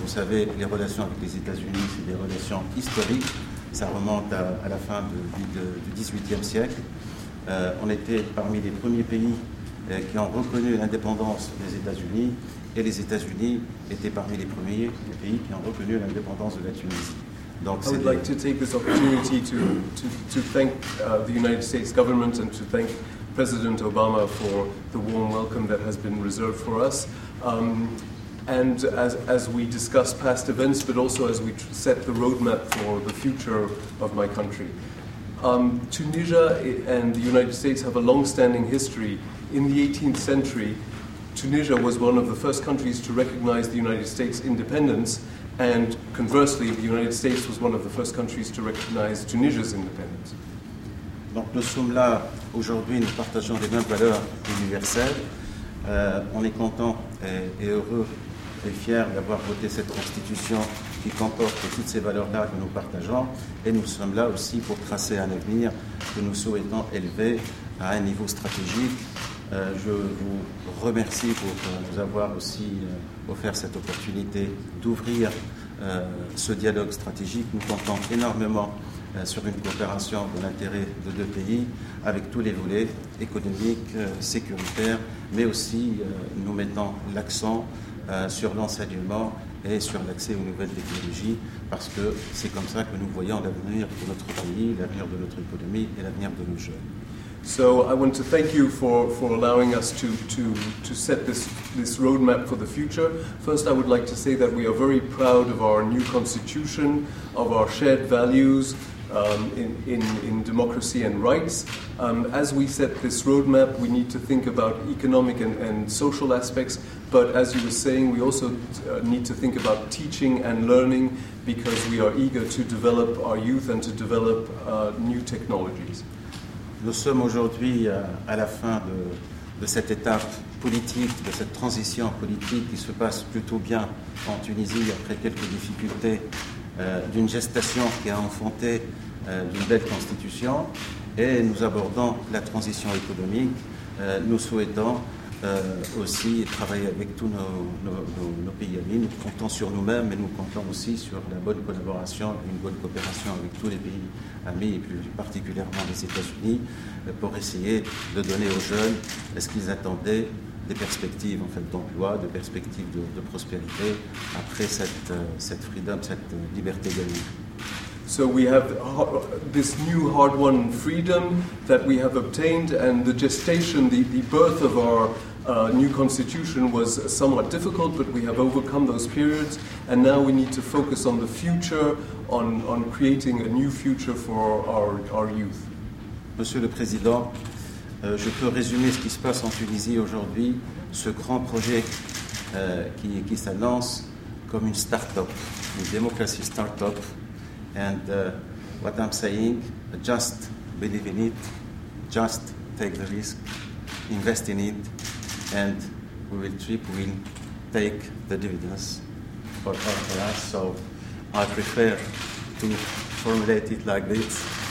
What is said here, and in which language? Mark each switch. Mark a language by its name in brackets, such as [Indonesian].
[French] Vous savez, les relations avec les États-Unis, c'est des relations historiques. Ça remonte à la fin du 18e siècle. On était parmi les premiers pays qui ont reconnu l'indépendance des États-Unis. Et les États-Unis étaient parmi les premiers pays qui ont reconnu l'indépendance de la Tunisie. [English] Donc, I would like to take this opportunity to thank the United States government and to thank President Obama for the warm welcome that has been reserved for us. And as we discuss past events, but also as we set the roadmap for the future of my country. Tunisia and the United States have a long-standing history. In the 18th century, Tunisia was one of the first countries to recognize the United States' independence, and conversely, the United States was one of the first countries to recognize Tunisia's independence. [French] Donc nous sommes là aujourd'hui, nous partageons les mêmes valeurs universelles. On est content et heureux et fiers d'avoir voté cette constitution qui comporte toutes ces valeurs-là que nous partageons, et nous sommes là aussi pour tracer un avenir que nous souhaitons élever à un niveau stratégique. Je vous remercie pour nous avoir aussi offert cette opportunité d'ouvrir ce dialogue stratégique. Nous comptons énormément sur une coopération de l'intérêt de deux pays avec tous les volets économiques, sécuritaires, mais aussi nous mettons l'accent sur l'enseignement et sur l'accès aux nouvelles technologies, parce que c'est comme ça que nous voyons l'avenir de notre pays, l'avenir de notre économie et l'avenir de nos jeunes. [English] So I want to thank you for allowing us to set this roadmap for the future. First, I would like to say that we are very proud of our new constitution, of our shared values in democracy and rights. As we set this roadmap, we need to think about economic and social aspects. But as you were saying, we also need to think about teaching and learning, because we are eager to develop our youth and to develop new technologies. [French] Nous sommes aujourd'hui à la fin de cette étape politique, de cette transition politique qui se passe plutôt bien en Tunisie après quelques difficultés d'une gestation qui a enfanté d'une belle constitution. Et nous abordons la transition économique. Nous souhaitons aussi travailler avec tous nos pays amis. Nous comptons sur nous-mêmes, mais nous comptons aussi sur la bonne collaboration, une bonne coopération avec tous les pays amis, et plus particulièrement les États-Unis, pour essayer de donner aux jeunes ce qu'ils attendaient, des perspectives en fait, d'emploi, des perspectives de prospérité après cette freedom, cette liberté gagnée. [English] So we have this new hard-won freedom that we have obtained, and the gestation, the birth of our new constitution was somewhat difficult, but we have overcome those periods, and now we need to focus on the future, on creating a new future for our youth. [French] Monsieur le Président, je peux résumer ce qui se passe en Tunisie aujourd'hui, ce grand projet qui s'annonce comme une start-up, une démocratie start-up. [English] And what I'm saying, just believe in it, just take the risk, invest in it, and we will trip, we will take the dividends for us. So I prefer to formulate it like this.